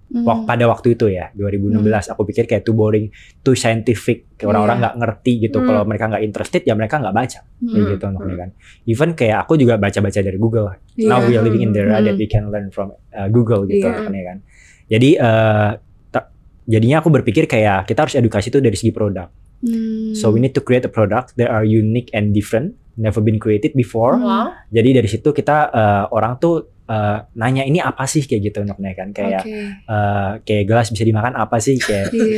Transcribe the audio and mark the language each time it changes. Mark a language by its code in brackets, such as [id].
[id] Pada waktu itu ya 2016 aku pikir kayak [en] too boring, too scientific, [id] kayak orang-orang nggak ngerti gitu. Kalau mereka nggak interested ya mereka nggak baca gitu untuknya kan. [en] Even [id] kayak aku juga baca-baca dari Google. [en] Now we are living in the era that we can learn from Google [id] gitu untuknya kan. Jadi jadinya aku berpikir kayak kita harus edukasi itu dari segi produk. [en] So we need to create a product that are unique and different, never been created before. [id] Jadi dari situ kita orang tuh nanya ini apa sih kayak gitu untuk naik kan kayak kayak gelas bisa dimakan apa sih kayak